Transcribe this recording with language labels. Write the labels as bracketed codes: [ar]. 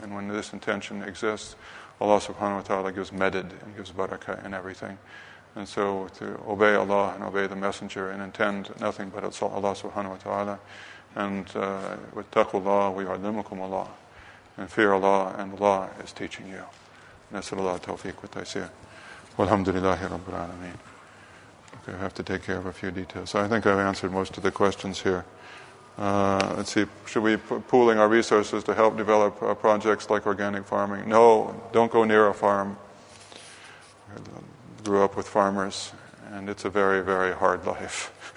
[en] And when this intention exists, Allah subhanahu wa ta'ala gives medid and gives barakah in everything. And so to obey Allah and obey the Messenger and intend nothing but Allah subhanahu wa ta'ala. And with taqwallah, we are limukum Allah. And fear Allah, and Allah is teaching you. [ar] نسأل الله التوفيق والتيسير والحمد لله رب العالمين. [en] Okay, I have to take care of a few details. So I think I've answered most of the questions here. Let's see, should we be pooling our resources to help develop projects like organic farming? No, don't go near a farm. I grew up with farmers, and it's a very, very hard life.